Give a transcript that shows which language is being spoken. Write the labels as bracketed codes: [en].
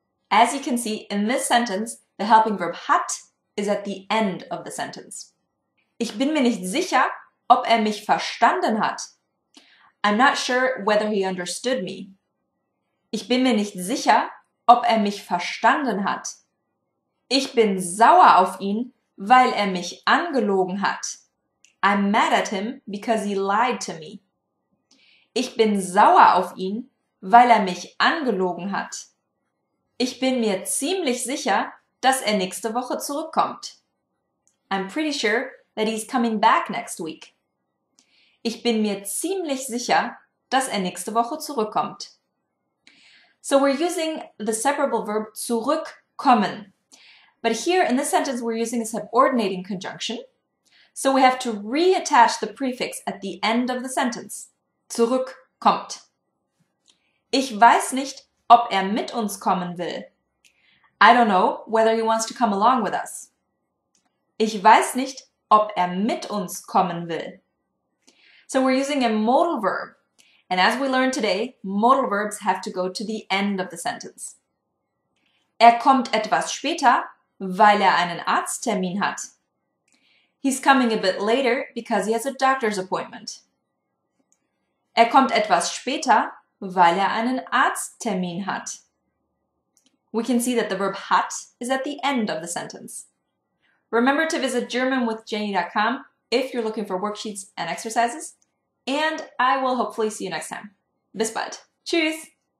[en] As you can see in this sentence, the helping verb hat is at the end of the sentence. [de] Ich bin mir nicht sicher, ob er mich verstanden hat. [en] I'm not sure whether he understood me. [de] Ich bin mir nicht sicher, ob er mich verstanden hat. Ich bin sauer auf ihn, weil er mich angelogen hat. [en] I'm mad at him because he lied to me. [de] Ich bin sauer auf ihn, weil er mich angelogen hat. Ich bin mir ziemlich sicher, dass er nächste Woche zurückkommt. [en] I'm pretty sure that he's coming back next week. [de] Ich bin mir ziemlich sicher, dass er nächste Woche zurückkommt. [en] So we're using the separable verb zurückkommen. But here in this sentence we're using a subordinating conjunction. So we have to reattach the prefix at the end of the sentence. [de] Zurückkommt. Ich weiß nicht, ob er mit uns kommen will. [en] I don't know whether he wants to come along with us. [de] Ich weiß nicht, ob er mit uns kommen will. [en] So we're using a modal verb. And as we learned today, modal verbs have to go to the end of the sentence. [de] Er kommt etwas später, weil er einen Arzttermin hat. [en] He's coming a bit later because he has a doctor's appointment. [de] Er kommt etwas später, weil er einen Arzttermin hat. [en] We can see that the verb hat is at the end of the sentence. Remember to visit GermanWithJenny.com if you're looking for worksheets and exercises. And I will hopefully see you next time. [de] Bis bald. Tschüss!